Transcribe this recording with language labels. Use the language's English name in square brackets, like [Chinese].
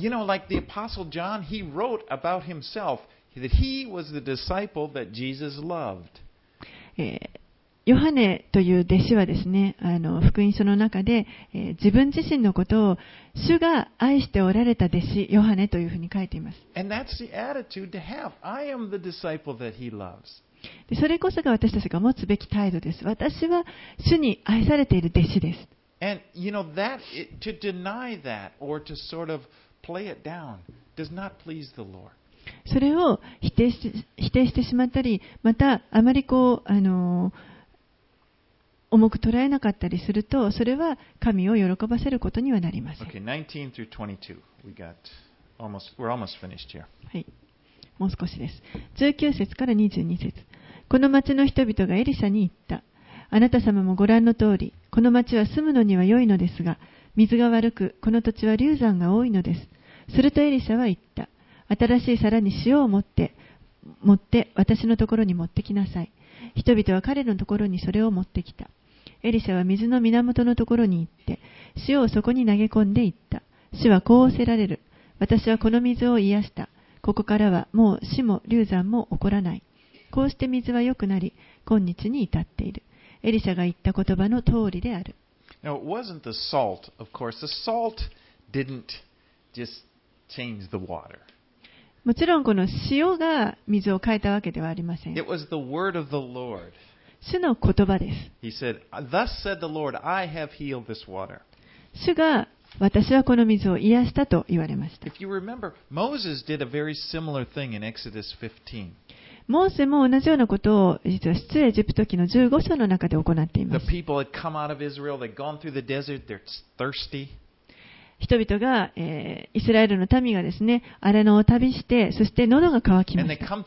[English] You know, like the Apostle John, he wrote about himself that he was the disciple that Jesus loved. [Japanese] ヨハネという弟子はですね、福音書の中で、自分自身のことを主が愛しておられた弟子ヨハネというふうに書いています。 [English] And that's the attitude to have. I am the disciple that he loves. [Japanese] で、それこそが私たちが持つべき態度です。私は主に愛されている弟子です。 [English] And you know that to deny that or to sort of play it down does not please the Lord. [Japanese] それを否定してしまったり、またあまりこう重く捉えなかったりすると、それは神を喜ばせることにはなりません。 [English] Okay, 19 through 22. We got almost, we're almost finished here. [Japanese] はい、もう少しです。19節から22節。この町の人々がエリシャに言った。あなた様もご覧の通り、この町は住むのには良いのですが、水が悪く、この土地は流産が多いのです。するとエリシャは言った。新しい皿に塩を持って私のところに持ってきなさい。人々は彼のところにそれを持ってきた。エリシャは水の源のところに行って塩をそこに投げ込んでいった。主はこうおせられる。私はこの水を癒した。ここからはもう死も流産も起こらない。こうして水は良くなり、今日に至っている。エリシャが言った言葉の通りである。 [English] Now, it wasn't the salt. Of course, the salt didn't just change the water. [Japanese] もちろんこの塩が水を変えたわけではありません。 [English] It was the word of the Lord. [Japanese] 主の言葉です。 [English] He said, "Thus said the Lord, I have healed this water." [Japanese] 主が私はこの水を癒したと言われました。 [English] If you remember, Moses did a very similar thing in Exodus 15. [Japanese] モーセも同じようなことを実は出エジプト記の15章の中で行っています。 [English] The people had come out of Israel. They'd gone through the desert. They're thirsty. [Japanese] 人々が、イスラエルの民がですね、荒野を旅して、そして喉が渇きました。